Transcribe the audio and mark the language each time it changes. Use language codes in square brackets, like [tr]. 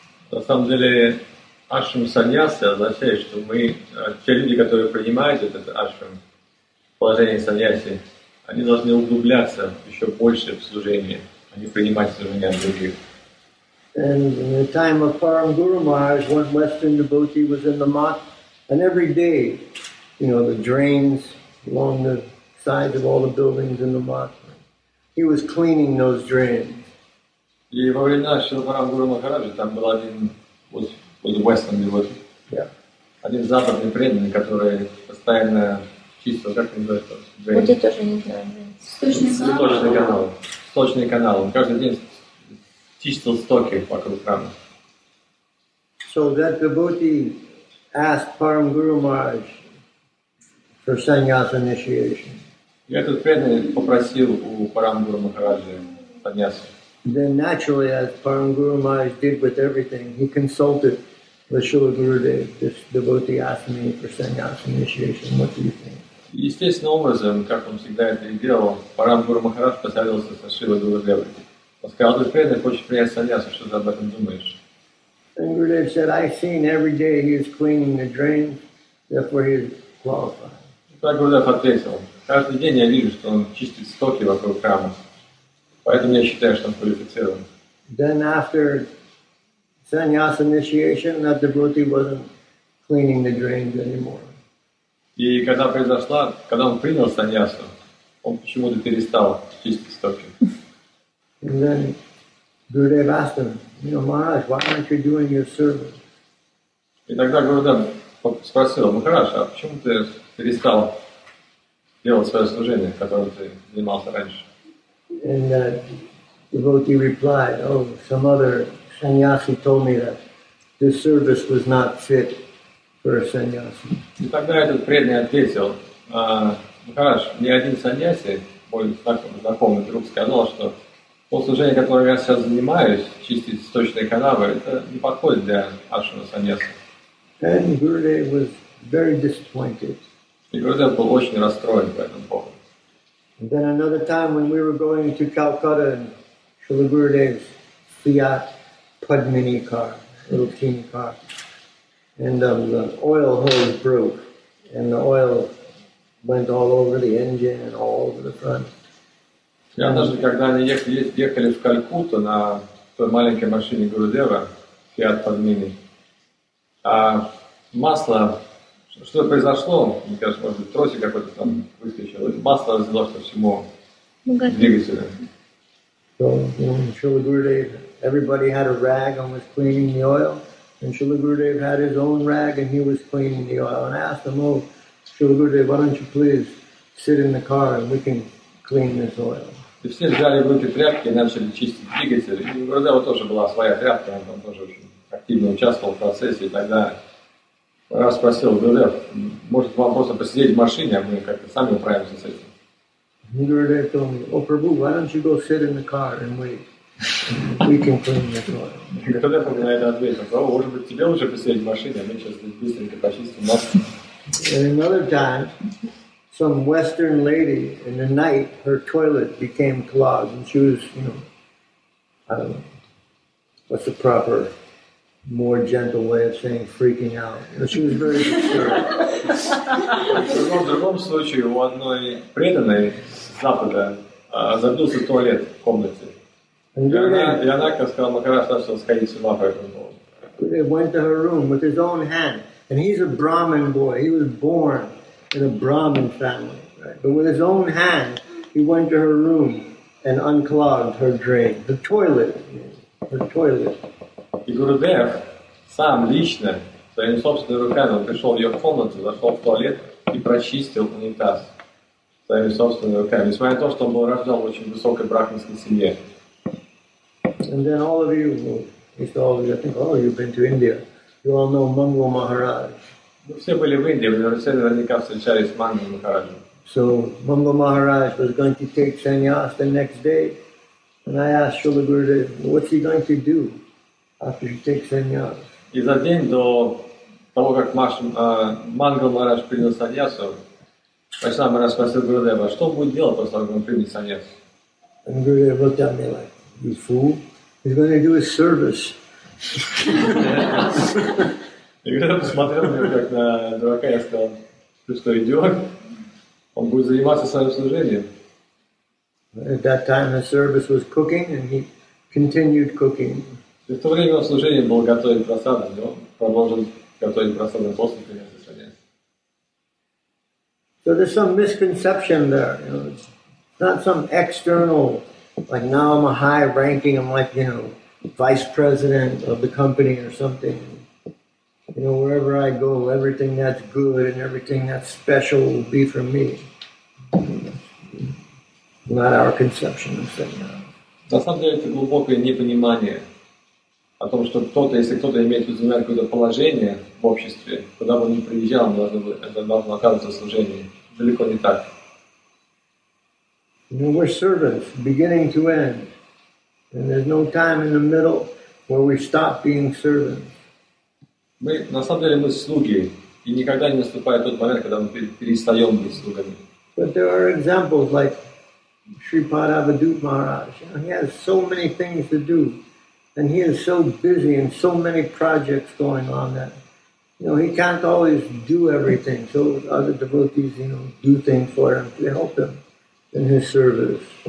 [ru] На самом деле, ашрам саньяса означает, что мы, те люди, которые принимают этот ашрам, положение саньяси, они должны углубляться еще больше в служение, а не принимать служение от других. [en] And in the time of Param Guru Maharaj, one Western devotee was in the mosque, and every day, you know, the drains along the sides of all the buildings in the mosque. He was cleaning those drains. [ru] И во время Шрила Парам Гуру Махараджа там был один, [en] was a Western devotee. Yeah. [ru] Один западный преданный, который постоянно чистил, как он называется, drains. Вот я тоже не знаю. Сточный канал. Сточный канал. Он каждый день чистил стоки вокруг храма. [en] So that devotee asked Param Guru Maharaj for sannyas initiation. [ru] Я тут преданный попросил у Парам Гуру Махараджи саньяс. [en] Then naturally, as Param Guru Maharaj did with everything, he consulted with Śrīla Gurudeva. This devotee asked me for sannyas initiation. What do you think? [ru] Естественным образом, как он всегда это и делал, Парам Гуру Махарадж посоветовался со Śrīla Gurudeva. Он сказал, ты преданный, хочешь принять саньяс, что ты об этом думаешь? [en] And Gurudev said, I've seen every day he is cleaning the drains, therefore he is [ru] так Гурудев ответил. Каждый день я вижу, что он чистит стоки вокруг храма. Поэтому я считаю, что он квалифицирован. [en] Then after sannyas initiation, that devotee wasn't cleaning the drains anymore. [ru] И когда произошла, когда он принял саньясу, он почему-то перестал чистить стоки. [en] And then Gurudev asked him, you know, Maharaj, why aren't you doing your service? [ru] И тогда Гурудев спросил, ну хорошо, а почему ты перестал делать свое служение, которым ты занимался раньше? [en] And devotee replied, oh, some other sannyasi told me that this service was not fit for a sannyasi. [ru] И тогда этот преданный ответил, ну хорошо, ни один сannyasi, более знакомый друг, сказал, что то служение, которое я сейчас занимаюсь, чистить сточные канавы, это не подходит для ашрама саньяса. [en] And Gurudev was very disappointed. [ru] И Гурудев был очень расстроен по этому поводу. [en] Then another time when we were going to Calcutta in Śrīla Gurudev's Fiat Padmini car, little teeny car, and the oil hose broke, and the oil went all over the engine and all over the front. [ru] Я даже когда они ехали в Калькутту на той маленькой машине Гурудева, Fiat Padmini. А масло, что произошло, мне кажется, может быть, тросик какой-то там выскочил, масло взяло ко всему двигателю. [en] So, you know, Śrīla Gurudev, everybody had a rag and was cleaning the oil, and Śrīla Gurudev had his own rag and he was cleaning the oil, and I asked him, oh, Śrīla Gurudev, why don't you please sit in the car and we can clean this oil. [ru] И все взяли в руки тряпки и начали чистить двигатель. И у Радева тоже была своя тряпка, он там тоже очень активно участвовал в процессе. И тогда раз спросил, Гурдев, может вам просто посидеть в машине, а мы как-то сами управимся с этим. [en] И Гурдев told me, oh, Prabhu, why don't you go sit in the car and wait? We can clean this oil. [ru] Гурдев на это ответил, Прабу, может быть тебе лучше посидеть в машине, а мы сейчас быстренько почистим машину. [en] And another time, some Western lady in the night, her toilet became clogged, and she was, you know, I don't know, what's the proper, more gentle way of saying freaking out? You know, she was very disturbed. [ru] В другом случае, у одной преданной с Запада забился туалет в комнате. И она сказала, Махарадж начал сходить с ума по этому поводу. [en] He went to her room with his own hand. And he's a Brahmin boy. He was born in a Brahmin family. Right? But with his own hand, he went to her room and unclogged her drain. The toilet. Her toilet. [ru] И Гурудев сам лично, своими собственными руками, пришел в ее комнату, зашел в туалет и прочистил унитаз своими собственными руками. Несмотря на то, что он был рожден в очень высокой брахманской семье. [en] And then all of you, used to all of you, think, oh, you've been to India. You all know Mangal Maharaj. [ru] Все были в Индии, но все наверняка встречались с Мангал Махараджем. [en] So Mangal Maharaj was going to take sannyas the next day, and I asked Srila Gurudev, what's he going to do after he takes sannyas? [ru] И за день до того, как Мангал Махарадж принял саньясу, Вайшнава Махарадж спросил Гурудева, что будет делать после того, как он примет саньяс? [en] And Gurudev looked at me like, you fool, he's going to do his service. [ru] И когда посмотрел на него как на дурака, я сказал, ты что, идиот? Он будет заниматься своим служением. [en] At that time his service was cooking, and he continued cooking. [ru] И в то время его служение было готовить просады, но он продолжил готовить просады после принятия саньяса. [en] So there's some misconception there. You know, it's not some external, like now I'm a high ranking, I'm like, you know, vice president of the company or something. You know, wherever I go, everything that's good and everything that's special will be for me. Not our conception of sannyas. [ru] На самом деле это глубокое непонимание о том, что кто-то, если кто-то имеет какое-то положение в обществе, куда бы он ни приезжал, должно оказываться служение. Далеко не так. [en] You know, we're servants, beginning to end. And there's no time in the middle where we stop being servants. [ru] Мы на самом деле мы слуги, и никогда не наступает тот момент, когда мы перестаем быть слугами. [en] But there are examples like Sri Padavadut Maharaj. He has so many things to do, and he is so busy and so many projects going on that, you know, he can't always do everything. So other devotees, you know, do things for him to help him in his service.